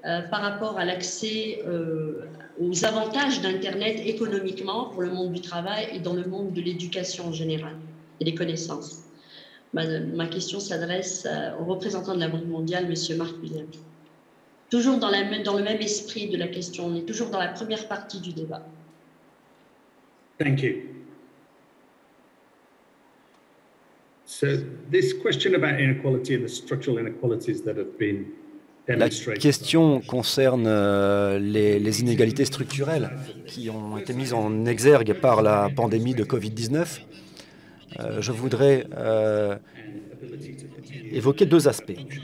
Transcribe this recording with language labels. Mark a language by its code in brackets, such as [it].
[fr] Par rapport à l'accès aux avantages d'Internet économiquement pour le monde du travail et dans le monde de l'éducation en général et des connaissances. Ma question s'adresse au représentant de la Banque mondiale, M. Mark Williams. Toujours dans le même esprit de la question, on est toujours dans la première partie du débat. [en] Thank you. So this question about inequality and the structural inequalities that have been... [fr] La question concerne les inégalités structurelles qui ont été mises en exergue par la pandémie de COVID-19. Je voudrais évoquer deux aspects.